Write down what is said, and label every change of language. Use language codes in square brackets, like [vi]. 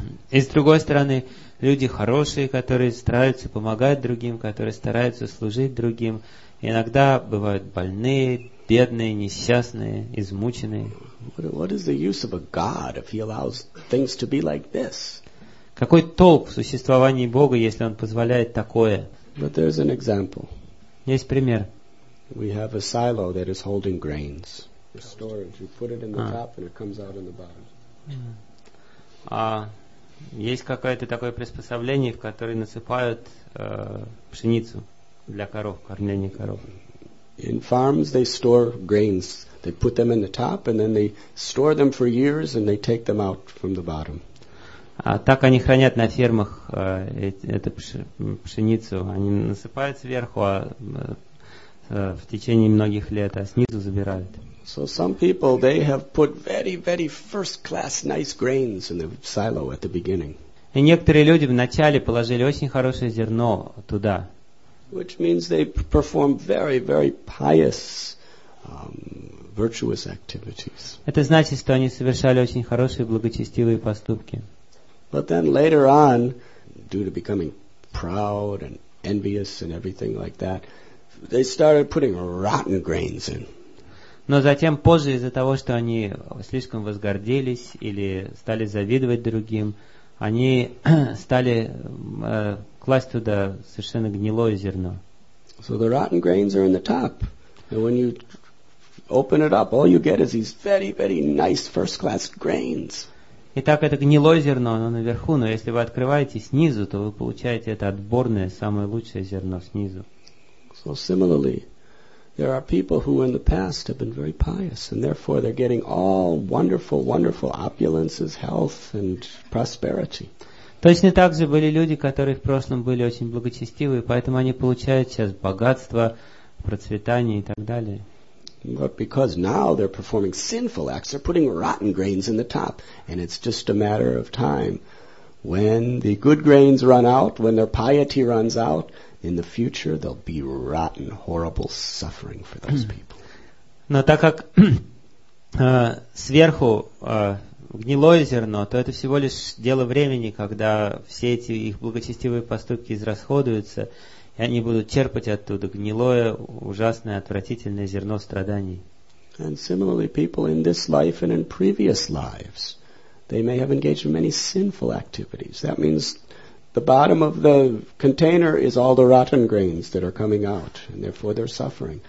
[ru] И с другой стороны, люди хорошие, которые стараются помогать другим, которые стараются служить другим, иногда бывают больные, бедные, несчастные, измученные. [en] What is the use of a God if he allows things to be like this? [ru] Какой толк в существовании Бога, если он позволяет такое? [en] But there's an example. [ru] Есть пример. [en] We have a silo that is holding grains. The storage. You put it in the top and it comes out in the bottom. [ru] А есть какое-то такое приспособление, в которое насыпают пшеницу для коров, кормления коров. [en] In farms they store grains. They put them in the top and then they store them for years and they take them out from the bottom. [ru] А так они хранят на фермах эту пшеницу. Они насыпают сверху, а в течение многих лет, а снизу забирают. [en] So some people, they have put very, very first-class nice grains in the silo at the beginning. [ru] И некоторые люди вначале положили очень хорошее зерно туда. [en] Which means they perform very, very pious, virtuous activities. [ru] Это значит, что они совершали очень хорошие благочестивые поступки. [en] But then later on, due to becoming proud and envious and everything like that, they started putting rotten grains in. [ru] Но затем, позже, из-за того, что они слишком возгордились или стали завидовать другим, они стали класть туда совершенно гнилое зерно. [en] So the rotten grains are in the top. And when you open it up, all you get is these very, very nice first-class grains. [ru] Итак, это гнилое зерно, оно наверху, но если вы открываете снизу, то вы получаете это отборное, самое лучшее зерно снизу. [en] So similarly, there are people who in the past have been very pious, and therefore they're getting all wonderful, wonderful opulences, health and prosperity. [ru] Точно так же были люди, которые в прошлом были очень благочестивы, поэтому они получают сейчас богатство, процветание и так далее. [en] But because now they're performing sinful acts, they're putting rotten grains in the top, and it's just a matter of time. When the good grains run out, when their piety runs out, in the future there'll be rotten, horrible suffering for those people. [ru] Но так как сверху гнилое зерно, то это всего лишь дело времени, когда все эти их благочестивые поступки израсходуются, и они будут черпать оттуда гнилое, ужасное, отвратительное зерно страданий. [en] And similarly, people in this life and in previous lives, they may have engaged in many sinful activities. That means the bottom of the container is all the rotten grains that are coming out, and therefore they're suffering.